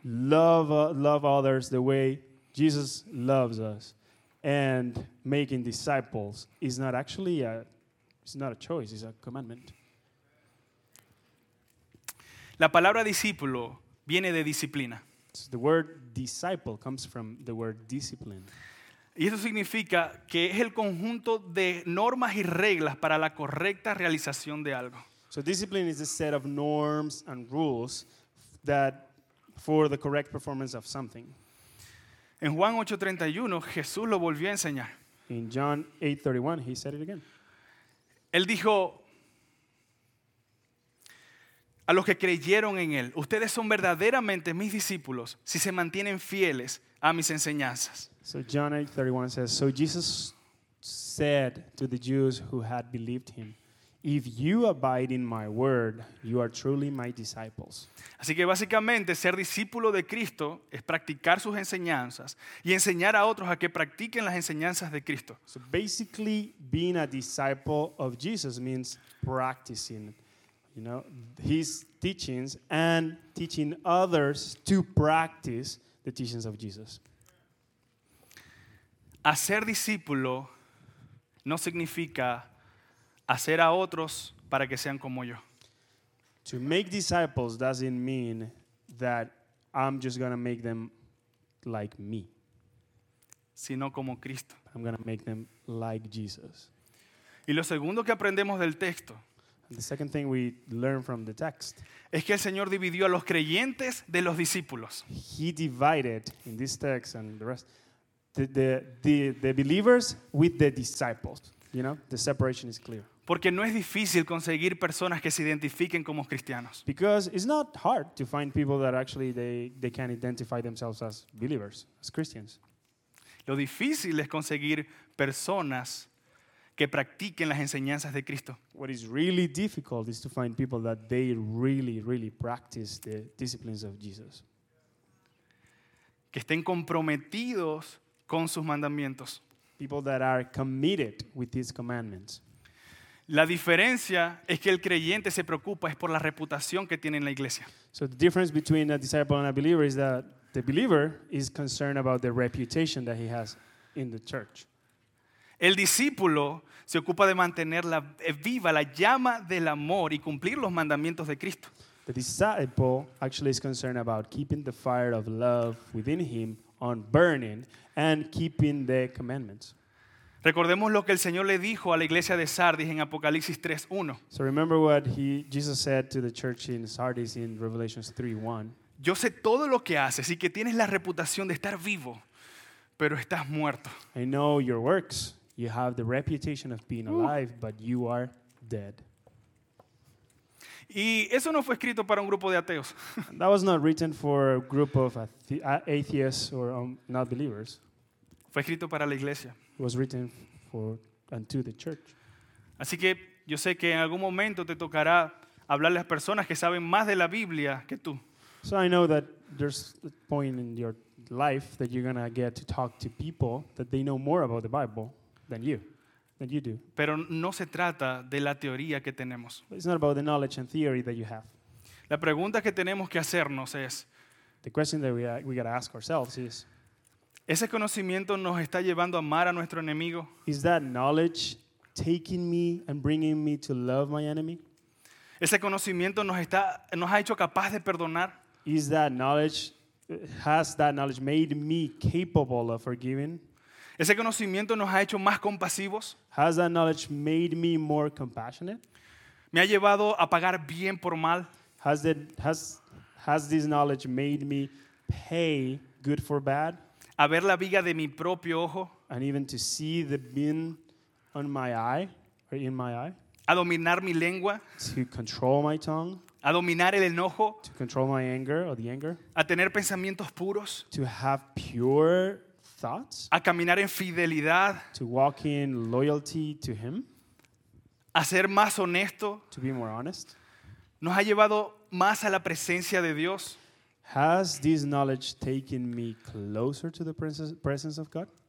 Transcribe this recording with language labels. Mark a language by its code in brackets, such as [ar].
[en] Love others the way Jesus loves us. And making disciples is not actually it's not a choice, it's a commandment. [es] La palabra discípulo viene de disciplina. [en] So the word disciple comes from the word discipline. [es] Y eso significa que es el conjunto de normas y reglas para la correcta realización de algo. [en] So discipline is a set of norms and rules that for the correct performance of something. [es] En Juan 8:31, Jesús lo volvió a enseñar. [en] In John 8:31, he said it again. [es] Él dijo a los que creyeron en él: "Ustedes son verdaderamente mis discípulos si se mantienen fieles a mis enseñanzas." [en] So John 8:31 says, "So Jesus said to the Jews who had believed him, 'If you abide in my word, you are truly my disciples.'" [es] Así que básicamente ser discípulo de Cristo es practicar sus enseñanzas y enseñar a otros a que practiquen las enseñanzas de Cristo. [en] So basically being a disciple of Jesus means practicing, you know, his teachings and teaching others to practice the teachings of Jesus. [es] Hacer discípulo no significa hacer a otros para que sean como yo. [en] To make disciples doesn't mean that I'm just going to make them like me. [es] Sino como Cristo. [en] I'm going to make them like Jesus. [es] Y lo segundo que aprendemos del texto. [en] The second thing we learn from the text. [es] Es que el Señor dividió a los creyentes de los discípulos. [en] He divided in this text and the rest. The believers with the disciples. You know, the separation is clear. [es] Porque no es difícil conseguir personas que se identifiquen como cristianos. [en] Because it's not hard to find people that actually they can identify themselves as believers, as Christians. [es] Lo difícil es conseguir personas que practiquen las enseñanzas de Cristo. [en] What is really difficult is to find people that they really, really practice the disciplines of Jesus. [es] Que estén comprometidos con sus mandamientos. [en] People that are committed with these commandments. [es] La diferencia es que el creyente se preocupa es por la reputación que tiene en la iglesia. [en] So the difference between a disciple and a believer is that the believer is concerned about the reputation that he has in the church. [es] El discípulo se ocupa de mantener viva la llama del amor y cumplir los mandamientos de Cristo. [en] The disciple actually is concerned about keeping the fire of love within him on burning and keeping the commandments. [es] Recordemos lo que el Señor le dijo a la iglesia de Sardis en Apocalipsis 3:1. [en] So remember what Jesus said to the church in Sardis in Revelation 3:1. [es] Yo sé todo lo que haces y que tienes la reputación de estar vivo, pero estás muerto. [en] I know your works. You have the reputation of being alive, but you are dead. [es] Y eso no fue escrito para un grupo de ateos. [en] That was not written for a group of atheists or not believers. [es] Fue escrito para la iglesia. [en] It was written for and to the church. [es] Así que yo sé que en algún momento te tocará hablarle a personas que saben más de la Biblia que tú. [en] So I know that there's a point in your life that you're going to get to talk to people that they know more about the Bible than you do. [es] Pero no se trata de la teoría que tenemos. [en] It's not about the knowledge and theory that you have. [es] La pregunta que tenemos que hacernos es, [en] the question that we got to ask ourselves is, [es] ¿ese conocimiento nos está llevando a amar a nuestro enemigo? [en] Is that knowledge taking me and bringing me to love my enemy? [es] Ese conocimiento nos ha hecho capaz de perdonar. [en] Is that knowledge, has that knowledge made me capable of forgiving? [es] Ese conocimiento nos ha hecho más compasivos. [en] Has that knowledge made me more compassionate? [es] Me ha llevado a pagar bien por mal. [en] Has this knowledge made me pay good for bad? [es] A ver la viga de mi propio ojo. [en] And even to see the beam on my eye, or in my eye. [es] A dominar mi lengua. [en] To control my tongue. [es] A dominar el enojo. [en] To control my anger or the anger. [es] A tener pensamientos puros. [en] To have pure thoughts. [es] A caminar en fidelidad. [en] To walk in loyalty to him. [es] A ser más honesto. [en] To be more honest. [es] Nos ha llevado más a la presencia de Dios. [en] Has this knowledge taken me closer to the presence of God?